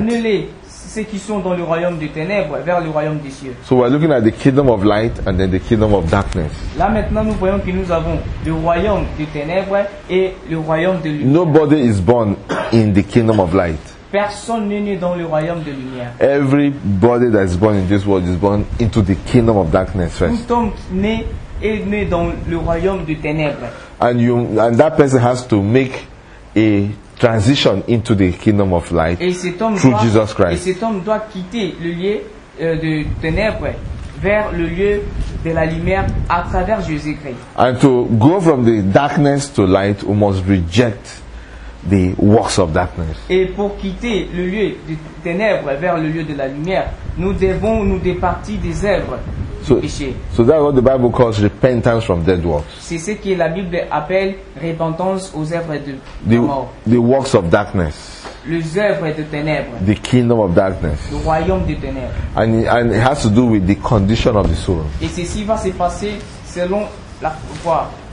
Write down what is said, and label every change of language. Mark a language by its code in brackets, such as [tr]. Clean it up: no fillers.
[fr] Amenez-les, ceux qui sont dans le royaume des ténèbres vers le royaume des cieux. [en] So we're looking at the kingdom of light and then the kingdom of darkness. [fr] Là maintenant nous voyons que nous avons le royaume des ténèbres et le royaume de lumière. [en] Nobody is born in the kingdom of light. [fr] Personne n'est né dans le royaume de lumière. [en] Everybody that is born in this world is born into the kingdom of darkness first. [fr] Tout homme né est né dans le royaume des ténèbres. [en] And you and that person has to make a transition into the kingdom of light through [fr] doit, [en] Jesus Christ. [fr] Et cet homme doit quitter le lieu de ténèbres vers le lieu de la lumière à travers Jésus-Christ. [en] And to go from the darkness to light, we must reject the works of darkness. [fr] Et pour quitter le lieu de ténèbres vers le lieu de la lumière, nous devons nous départir des œuvres. [en] So that's what the Bible calls repentance from dead works. [fr] C'est ce que la Bible appelle repentance aux œuvres de mort. [en] The works of darkness. [fr] Les œuvres de ténèbres. [en] The kingdom of darkness. [fr] Le royaume de ténèbres. [en] And it has to do with the condition of the soul. [fr] Et ceci va se passer selon la foi.